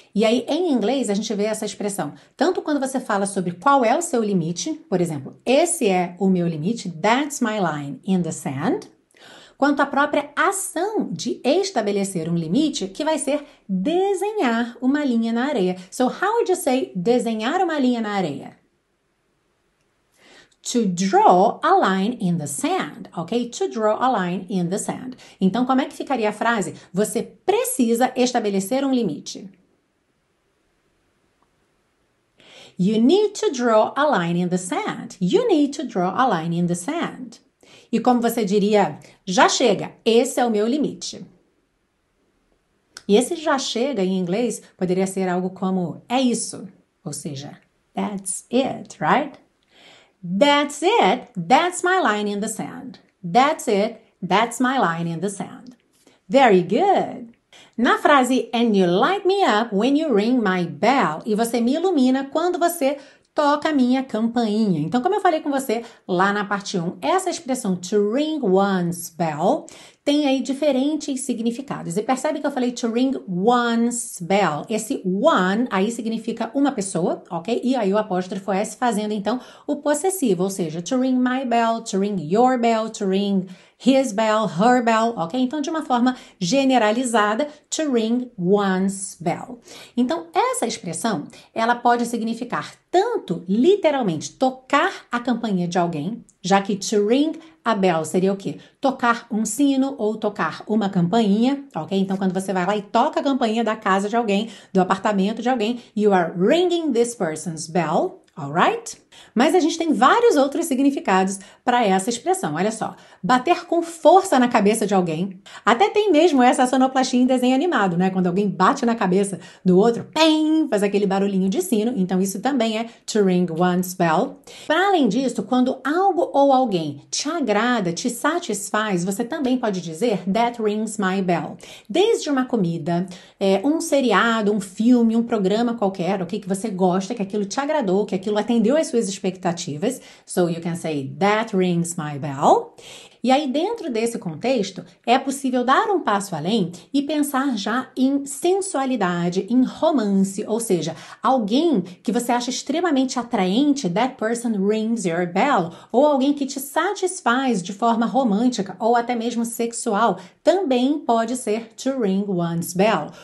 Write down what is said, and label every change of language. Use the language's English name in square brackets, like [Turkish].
[Portuguese] E aí, em inglês, a gente vê essa expressão. Tanto quando você fala sobre qual é o seu limite, por exemplo, esse é o meu limite, [English] that's my line in the sand, [Portuguese] quanto a própria ação de estabelecer um limite, que vai ser desenhar uma linha na areia. [English] So, how would you say [Portuguese] desenhar uma linha na areia? [English] To draw a line in the sand, ok? To draw a line in the sand. [Portuguese] Então, como é que ficaria a frase? Você precisa estabelecer um limite. [English] You need to draw a line in the sand. You need to draw a line in the sand. [Portuguese] E como você diria, já chega, esse é o meu limite. E esse já chega em inglês poderia ser algo como, é isso. Ou seja, [English] that's it, right? That's it, that's my line in the sand. That's it, that's my line in the sand. Very good. [Portuguese] Na frase, [English] and you light me up when you ring my bell. [Portuguese] E você me ilumina quando você toca a minha campainha. Então, como eu falei com você lá na parte 1, essa expressão to ring one's bell tem aí diferentes significados. E percebe que eu falei to ring one's bell. Esse one aí significa uma pessoa, ok? E aí o apóstrofo S fazendo, então, o possessivo. [English] Ou seja, to ring my bell, to ring your bell, to ring his bell, her bell, ok? [Portuguese] Então, de uma forma generalizada, to ring one's bell. Então, essa expressão, ela pode significar tanto, literalmente, tocar a campainha de alguém, já que to ring a bell seria o quê? Tocar um sino ou tocar uma campainha, ok? Então, quando você vai lá e toca a campainha da casa de alguém, do apartamento de alguém, [English] you are ringing this person's bell, alright? [Portuguese] Mas a gente tem vários outros significados para essa expressão, olha só. Bater com força na cabeça de alguém. Até tem mesmo essa sonoplastia em desenho animado, né? Quando alguém bate na cabeça do outro, pem, faz aquele barulhinho de sino. Então, isso também é to ring one's bell. Para além disso, quando algo ou alguém te agrada, te satisfaz, você também pode dizer [English] that rings my bell. [Portuguese] Desde uma comida, um seriado, um filme, um programa qualquer, ok? Que você gosta, que aquilo te agradou, que aquilo atendeu as suas expectativas. [English] So, you can say that rings my bell. [Portuguese] E aí, dentro desse contexto, é possível dar um passo além e pensar já em sensualidade, em romance, ou seja, alguém que você acha extremamente atraente, [English] that person rings your bell, [Portuguese] ou alguém que te satisfaz de forma romântica ou até mesmo sexual, também pode ser to ring one's bell.